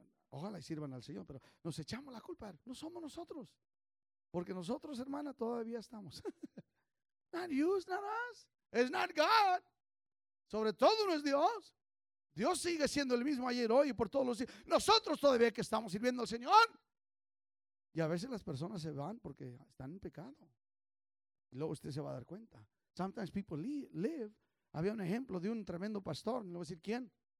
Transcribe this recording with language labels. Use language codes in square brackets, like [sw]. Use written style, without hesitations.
[es] Ojalá y sirvan al Señor, pero nos echamos la culpa, no somos nosotros. Porque nosotros, hermana, todavía estamos. [en] Not you, it's not us, it's not God. [es] Sobre todo no es Dios. Dios sigue siendo el mismo ayer, hoy y por todos los días. Nosotros todavía que estamos sirviendo al Señor. Y a veces las personas se van porque están en pecado. Y luego usted se va a dar cuenta. [en] Sometimes people live. [es] Había un ejemplo de un tremendo pastor. No voy a decir quién.